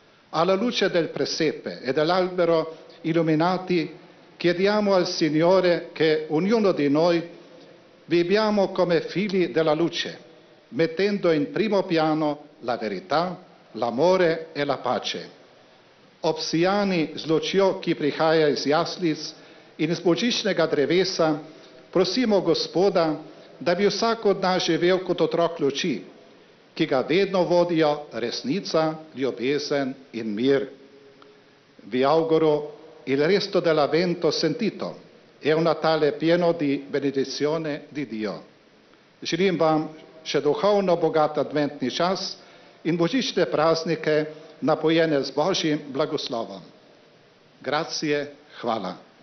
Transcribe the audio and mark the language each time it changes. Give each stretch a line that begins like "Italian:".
Italian: Alla luce del presepe e dell'albero illuminati, chiediamo al Signore che ognuno di noi viviamo come figli della luce, mettendo in primo piano la verità, l'amore e la pace.
Slovenian: Opsijani z lučjo, ki prihaja iz jaslic, in iz božičnega drevesa, prosimo Gospoda, da bi vsak od nas živel kot otrok luči, ki ga vedno vodijo resnica, ljubezen in mir.
Italian: Vi auguro il resto dell'avvento sentito e un Natale pieno di benedizione di Dio.
Slovenian: Želim vam še duhovno bogat adventni čas in božične praznike napojene z Božjim blagoslovom.
Italian: Grazie,
Slovenian: hvala.